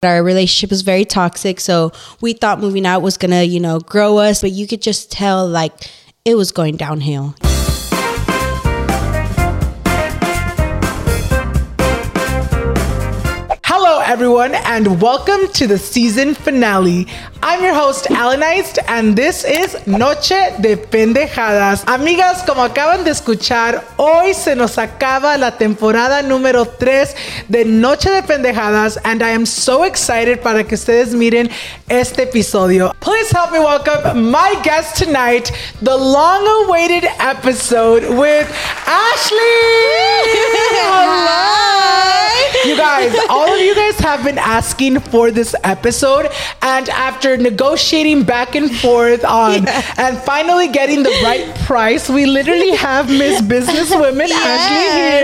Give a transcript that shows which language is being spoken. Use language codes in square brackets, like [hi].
[en] Our relationship was very toxic, so we thought moving out was gonna, you know, grow us, but you could just tell, like, it was going downhill. Hello, everyone, and welcome to the season finale. I'm your host, Alan Eist, and this is Noche de Pendejadas. [es] Amigas, como acaban de escuchar, hoy se nos acaba la temporada número 3 de Noche de Pendejadas, [en] and I am so excited [es] para que ustedes miren este episodio. [en] Please help me welcome my guest tonight, the long-awaited episode with Ashley! Hello! You guys, all of you guys have been asking for this episode, and after negotiating back and forth on and finally getting the right price, we literally have Miss Businesswoman Ashley here.